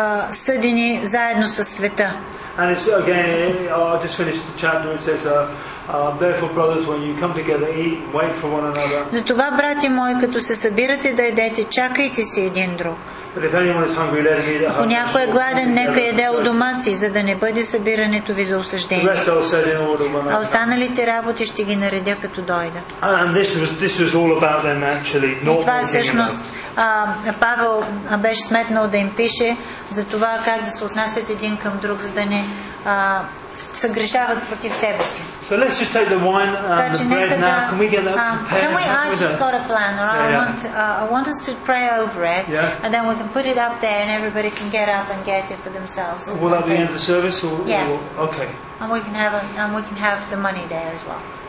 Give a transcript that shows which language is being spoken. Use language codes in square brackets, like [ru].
[bg] съдени заедно със света. [en] And it's again, I just finished the chapter. It says, therefore, brothers, when you come together, eat, wait for one another. [bg] Затова, брати мои, като се събирате да едете, чакайте си един друг. [en] But if anyone is hungry, let him eat at home. [bg] Ако някой е гладен, нека еде у дома си, за да не бъде събирането ви за осъждение. [en] The rest I'll set in order when I come. [bg] А останалите работи ще ги наредя, като дойда. [en] And this was all about them actually, not [bg] всъщност, Павел беше сметнал да им пише за това как да се отнасят един към друг, за да не съгрешават против себе си. [en] So let's just take the wine and the bread now. Can we get that prepared? Can we? I just got a plan. I want us to pray over it, yeah. And then we can put it up there, and everybody can get up and get it for themselves. Will that be end the service? Or, yeah. Or, okay. And we can have the money there as well.